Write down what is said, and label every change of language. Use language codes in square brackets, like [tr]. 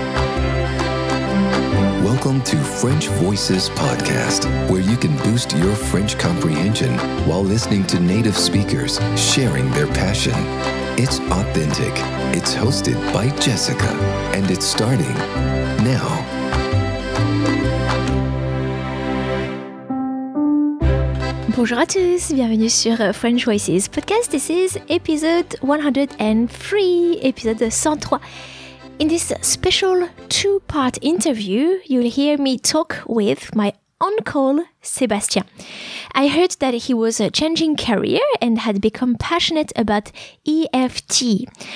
[en] Welcome to French Voices Podcast, where you can boost your French comprehension while listening to native speakers sharing their passion. It's authentic. It's hosted by Jessica, and it's starting now. [fr] Bonjour à tous, bienvenue sur French Voices Podcast. [en] This is episode 103, [fr] épisode 103. [en] In this special two-part interview, you'll hear me talk with my uncle, Sébastien. I heard that he was changing career and had become passionate about EFT.